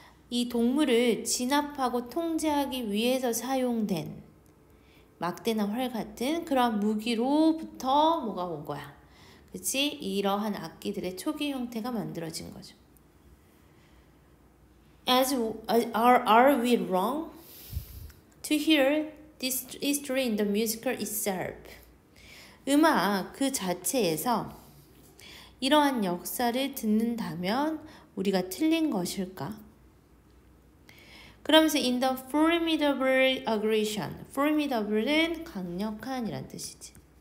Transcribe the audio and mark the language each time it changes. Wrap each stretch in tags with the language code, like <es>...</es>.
<ko>이 동물을 진압하고 통제하기 위해서 사용된 막대나 활 같은 그런 무기로부터 뭐가 온 거야. 그치? 이러한 악기들의 초기 형태가 만들어진 거죠.</ko> <en>As are we wrong to hear this history in the musical itself?</en> <ko>음악 그 자체에서 이러한 역사를 듣는다면 우리가 틀린 것일까? 그러면서</ko> <en>in the formidable aggression,</en> <ko>formidable은 강력한 이란 뜻이지.</ko>